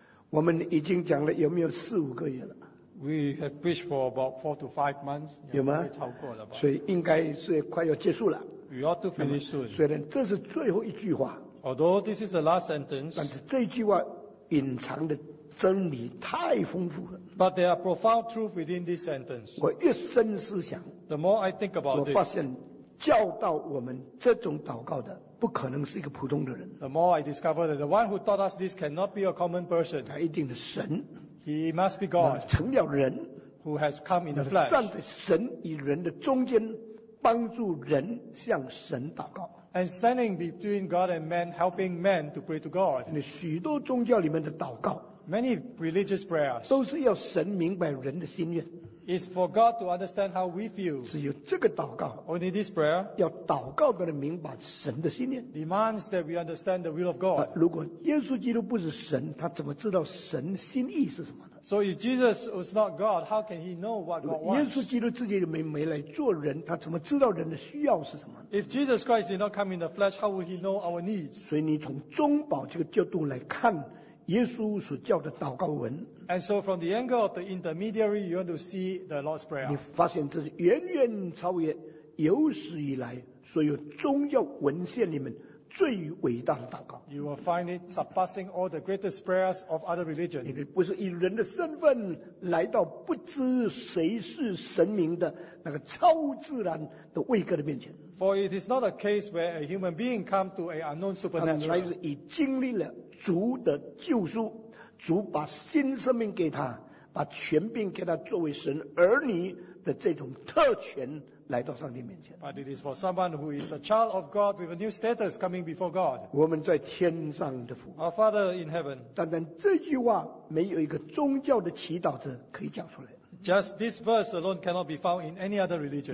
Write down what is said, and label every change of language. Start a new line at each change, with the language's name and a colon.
Chinese: 我们已经讲了有没有四五个月了？
English: We have preached for about 4 to 5 months.
Chinese: 有吗？超过了吧？所以应该是快要结束了。
English: We ought to finish soon.
Chinese: 虽然这是最后一句话。
English: Although this is the last sentence.
Chinese: 但是这句话隐藏的真理太丰富了。
English: But there are profound truth within this sentence.
Chinese: 我越深思想。
English: The more I think about this.
Chinese: 我发现教导我们这种祷告的不可能是一个普通的人。
English: The more I discover that the one who taught us this cannot be a common person.
Chinese: 他一定是神。
English: He must be God,
Chinese: 成了人
English: who has come in the flesh,
Chinese: 站在神与人的中间，帮助人向神祷告。
English: And standing between God and man, helping man to pray to God.
Chinese: 许多宗教里面的祷告
English: ，many religious prayers,
Chinese: 都是要神明白人的心愿。
English: Is for God to understand how we feel.
Chinese: 只有这个祷告
English: ，only this prayer,
Chinese: 要祷告的人明白神的心愿。
English: Demands that we understand the will of God.
Chinese: 如果耶稣基督不是神，他怎么知道神心意是什么呢
English: ？So if Jesus was not God, how can he know what God wants?
Chinese: 耶稣基督自己没来做人，他怎么知道人的需要是什么呢
English: ？If Jesus Christ did not come in the flesh, how would he know our needs?
Chinese: 所以你从中保这个角度来看。耶稣所教的祷告文
English: And so from the angle of the intermediary you want to see the Lord's Prayer
Chinese: 你发现这是远远超越有史以来所有宗教文献里面最伟大的祷告
English: You will find it surpassing all the greatest prayers of other religions
Chinese: 你不是以人的身份来到不知谁是神明的那个超自然的位格的面前
English: For it is not a case where a human being come to an unknown supernatural
Chinese: 他来自已经历了主的救赎主把新生命给他把权柄给他作为神儿女的这种特权来到上帝面前
English: But it is for someone who is a child of God with a new status coming before God
Chinese: 我们在天上的父
English: Our Father in heaven
Chinese: 但这句话没有一个宗教的祈祷者可以讲出来
English: Just this verse alone cannot be found in any other religion